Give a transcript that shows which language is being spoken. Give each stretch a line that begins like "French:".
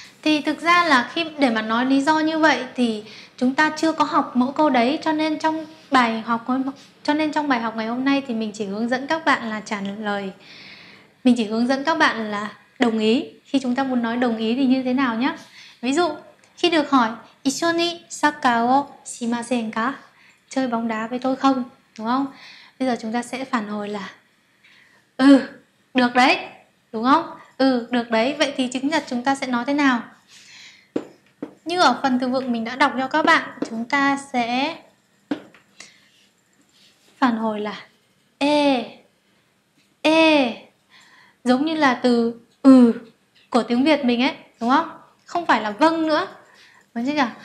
Vietnamese: Thì thực ra là khi để mà nói lý do như vậy thì chúng ta chưa có học mẫu câu đấy, cho nên trong bài học ngày hôm nay thì mình chỉ hướng dẫn các bạn là trả lời. Mình chỉ hướng dẫn các bạn là đồng ý. Khi chúng ta muốn nói đồng ý thì như thế nào nhá.
Japanese: Ví dụ, khi được hỏi 一緒にサッカーをしませんか?
Vietnamese: Chơi bóng đá với tôi không? Đúng không? Bây giờ chúng ta sẽ phản hồi là ừ, được đấy, đúng không? Ừ, được đấy. Vậy thì chính nhật chúng ta sẽ nói thế nào? Như ở phần từ vựng mình đã đọc cho các bạn, chúng ta sẽ phản hồi là ê, ê, giống như là từ ừ của tiếng Việt mình ấy, đúng không? Không phải là vâng nữa. Đúng chứ nhỉ?